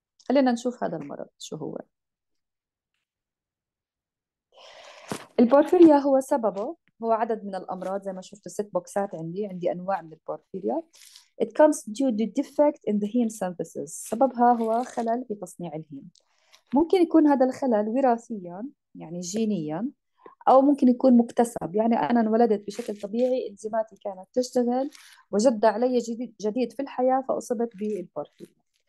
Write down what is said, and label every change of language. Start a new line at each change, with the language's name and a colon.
Arabic: خلينا نشوف هذا المرض شو هو. البورفيريا هو سببه هو عدد من الأمراض، زي ما شفتوا 6 بوكسات عندي أنواع من البورفيريا.
English: It comes due to defect in the heme synthesis.
Arabic: سببها هو خلل في تصنيع الهيم. ممكن يكون هذا الخلل وراثيا يعني جينيا، أو ممكن يكون مكتسب، يعني أنا انولدت بشكل طبيعي، إنزيماتي كانت تشتغل وجد علي جديد في الحياة فأصبت بالبورفيريا.